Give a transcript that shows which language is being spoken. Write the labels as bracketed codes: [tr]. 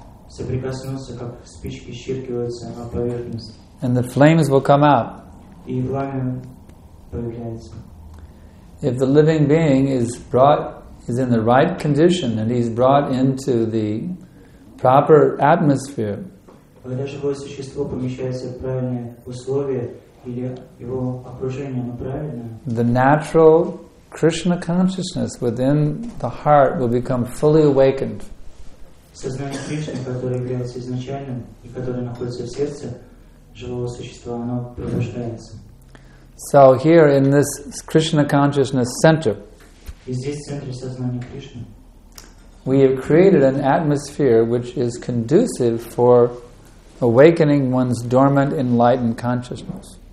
[ru] Соприкоснуться, как спички щиркиваются на поверхность. [en] And the flames will come out. [ru] И пламя появляется. [en] If the living being is in the right condition and he's brought into the proper atmosphere. [ru] Когда живое существо помещается в правильные условия или его окружение правильное. [en] The natural Krishna consciousness within the heart will become fully awakened. [ru] Сознание Кришны, которое является изначальным и которое находится в сердце живого существа, оно пробуждается. [en] So here in this Krishna consciousness center, [ru] и здесь в центре сознания Кришны, [en] we have created an atmosphere which is conducive for awakening one's dormant enlightened consciousness.